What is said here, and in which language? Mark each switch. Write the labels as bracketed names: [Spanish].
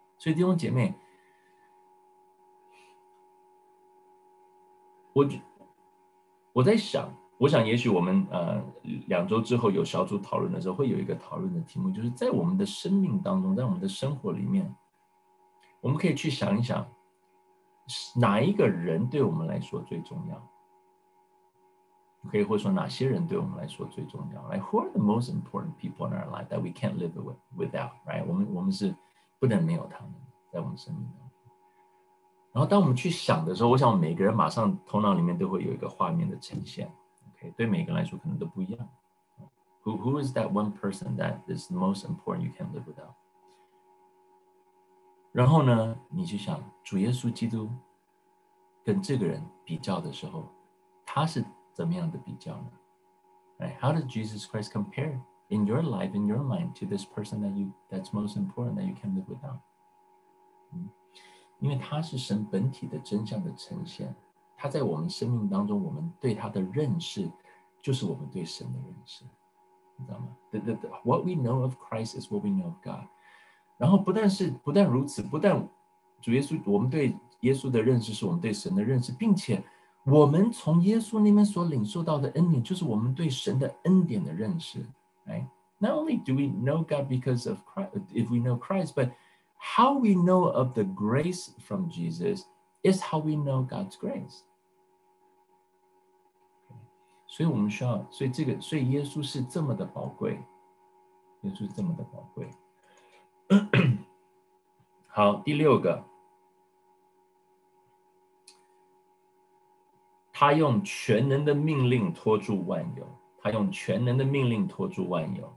[Chinese] 所以弟兄姐妹，我在想，我想也许我们两周之后有小组讨论的时候会有一个讨论的题目，就是在我们的生命当中，在我们的生活里面，我们可以去想一想哪一个人对我们来说最重要，可以或者说哪些人对我们来说最重要。 [English] Like, Who are the most important people in our life that we can't live without, right? [Chinese] 我们是不能没有他们在我们生命当中。然后当我们去想的时候，我想每个人马上头脑里面都会有一个画面的呈现，对每个人来说可能都不一样。 [English] Who is that one person that is the most important you can't live without? [Chinese] 然后呢，你去想主耶稣基督跟这个人比较的时候，他是怎么样的比较呢？ [English] Right? How does Jesus Christ compare in your life, in your mind, to this person that's most important that you can't live without? [Chinese] 因为他是神本体的真相的呈现，他在我们生命当中，我们对他的认识就是我们对神的认识，你知道吗？ [English] What we know of Christ is what we know of God。 [Chinese] 然后不但如此，不但主耶稣，我们对耶稣的认识是我们对神的认识，并且我们从耶稣那边所领受到的恩典就是我们对神的恩典的认识、right? [English] Not only do we know God because of Christ, if we know Christ, but how we know of the grace from Jesus is how we know God's grace、okay. [Chinese] 所以我们需要，所以这个，所以耶稣是这么的宝贵，耶稣是这么的宝贵。好，第六个，他用全能的命令托住万有，他用全能的命令托住万有。